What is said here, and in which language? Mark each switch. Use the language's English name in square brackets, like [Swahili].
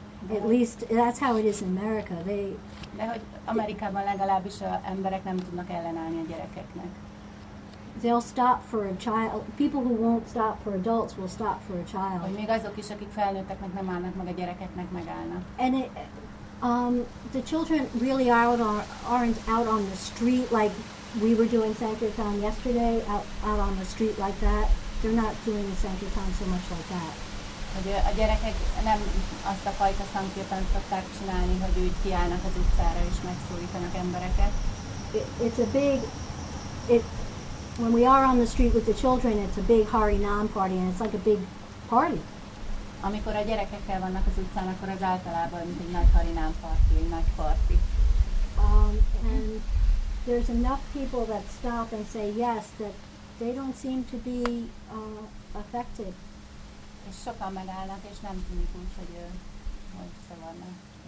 [English] At least that's how it is in America. [Hungarian] De hogy Amerikában legalábbis az emberek nem tudnak ellenállni a gyerekeknek. [English] They'll stop for a child. People who won't stop for adults will stop for a child. [Hungarian] Hogy még azok is, akik felnőtteknek nem állnak meg, a gyerekeknek megállnak. [English] And it, the children really aren't out on the street like we were doing Sankirtan yesterday, out on the street like that. They're not doing the Sankirtan so much like that. [Hungarian] Hogy a gyerekek nem azt a fajta szankirtan szokták csinálni, hogy úgy kiállnak az utcára és megszólítanak embereket. [English] It's a big, it, when we are on the street with the children, it's a big hearty non-party, and it's like a big party. [Hungarian] Amikor a gyerekekkel vannak az utcán, akkor az általában egy nagy [English] hearty non-party, [Hungarian] egy nagy party. [English] And there's enough people that stop and say yes that they don't seem to be affected. [Hungarian] És sokan megállnak, és nem tűnik úgy, hogy össze vannak.